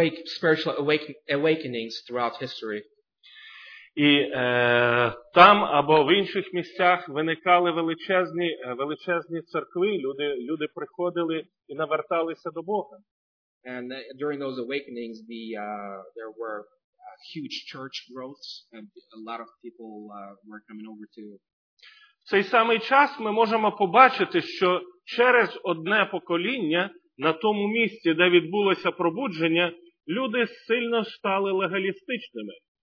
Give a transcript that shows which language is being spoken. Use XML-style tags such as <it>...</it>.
<en>Spiritual awakenings throughout history.</en> <uk>І там або в інших місцях виникали величезні церкви, люди приходили і наверталися до Бога.</uk> <en>And during those awakenings there were huge church growths and a lot of people were coming over to.</en> <uk>В цей самий час ми можемо побачити, що через одне покоління на тому місці, де відбулося пробудження, люди сильно стали легалістичними.</uk>